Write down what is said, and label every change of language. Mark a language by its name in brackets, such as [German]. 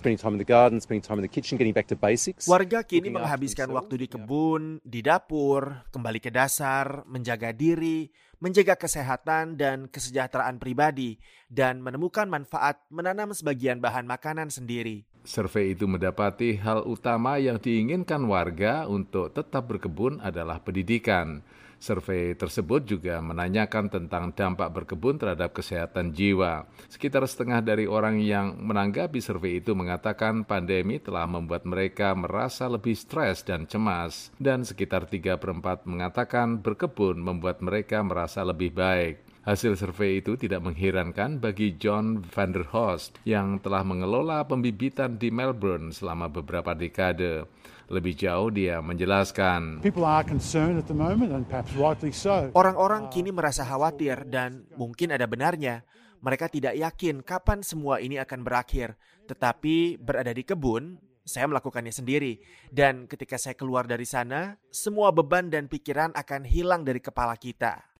[English] spending time in the garden, spending time in the kitchen, getting back to basics. [Indonesian] Warga kini menghabiskan waktu di kebun, di dapur, kembali ke dasar, menjaga diri, menjaga kesehatan dan kesejahteraan pribadi, dan menemukan manfaat menanam sebagian bahan makanan sendiri. Survei itu mendapati hal utama yang diinginkan warga untuk tetap berkebun adalah pendidikan. Survei tersebut juga menanyakan tentang dampak berkebun terhadap kesehatan jiwa. Sekitar setengah dari orang yang menanggapi survei itu mengatakan pandemi telah membuat mereka merasa lebih stres dan cemas. Dan sekitar 3/4 mengatakan berkebun membuat mereka merasa lebih baik. Hasil survei itu tidak mengherankan bagi John Vanderhorst yang telah mengelola pembibitan di Melbourne selama beberapa dekade. Lebih jauh dia menjelaskan, [English] people are concerned at the moment and perhaps rightly so. [Indonesian] Orang-orang kini merasa khawatir dan mungkin ada benarnya. Mereka tidak yakin kapan semua ini akan berakhir. Tetapi berada di kebun, saya melakukannya sendiri. Dan ketika saya keluar dari sana, semua beban dan pikiran akan hilang dari kepala kita.